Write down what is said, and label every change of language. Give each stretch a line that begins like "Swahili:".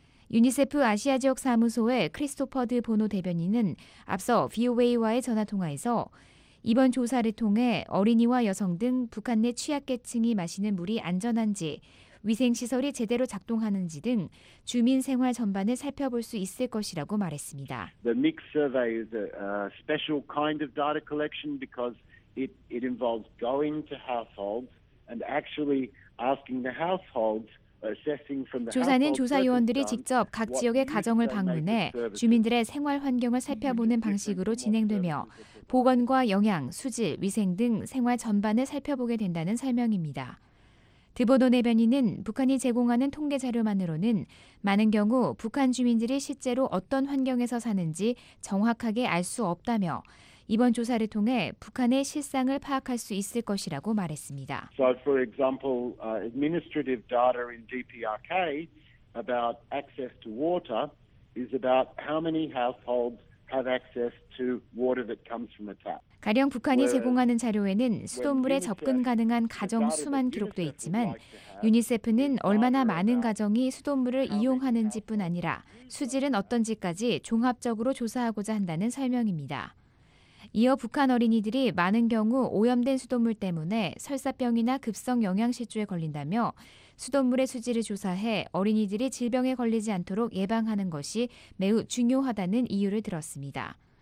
Korean: 유니세프 아시아 지역 사무소의 크리스토퍼 드 보노 대변인은 앞서 VOA와의 전화통화에서 이번 조사를 통해 어린이와 여성 등 북한 내 취약계층이 마시는 물이 안전한지, 위생시설이 제대로 작동하는지 등 주민 생활 전반을 살펴볼 수 있을 것이라고 말했습니다.
English: The mixed survey is a special kind of data collection because it involves going to households and actually asking the households
Korean: 조사는 조사위원들이 직접 각 지역의 가정을 방문해 주민들의 생활 환경을 살펴보는 방식으로 진행되며 보건과 영양, 수질, 위생 등 생활 전반을 살펴보게 된다는 설명입니다. 드보노 내변인은 북한이 제공하는 통계 자료만으로는 많은 경우 북한 주민들이 실제로 어떤 환경에서 사는지 정확하게 알 수 없다며 이번 조사를 통해 북한의 실상을 파악할 수 있을 것이라고 말했습니다.
English: So for example, administrative data in DPRK about access to water is about how many households have access to water that comes from a tap.
Korean: 가령 북한이 제공하는 자료에는 수돗물에 접근 가능한 가정 수만 기록돼 있지만 유니세프는 얼마나 많은 가정이 수돗물을 이용하는지뿐 아니라 수질은 어떤지까지 종합적으로 조사하고자 한다는 설명입니다. 이어 북한 어린이들이 많은 경우 오염된 수돗물 때문에 설사병이나 급성 영양실조에 걸린다며 수돗물의 수질을 조사해 어린이들이 질병에 걸리지 않도록 예방하는 것이 매우 중요하다는 이유를 들었습니다.